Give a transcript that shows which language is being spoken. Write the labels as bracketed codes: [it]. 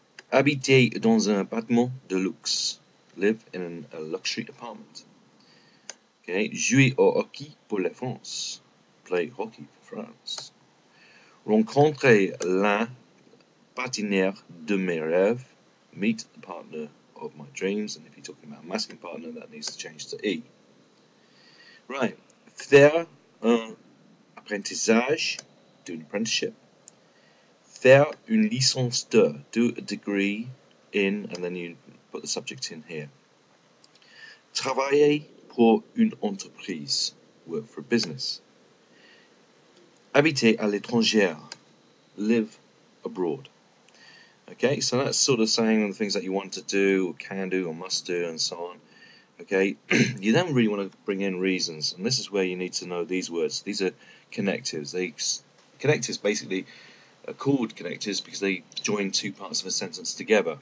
[fr] Habiter dans un appartement de luxe. [en] Live in a luxury apartment. [fr] Okay, jouer au hockey pour la France. [en] Play hockey for France. [fr] Rencontrer la partenaire de mes rêves, [en] meet the partner of my dreams, and if you're talking about a masculine partner, that needs to change to E. Right, [fr] faire un apprentissage, [en] do an apprenticeship. [fr] Faire une licence de, [en] do a degree in, and then you put the subject in here. [fr] Travailler pour une entreprise, [en] work for a business. [fr] Habiter à l'étranger, [en] live abroad. Okay, so that's sort of saying the things that you want to do, or can do, or must do, and so on. Okay, you then really want to bring in reasons, and this is where you need to know these words. These are connectives. Connectives basically are called connectives because they join two parts of a sentence together.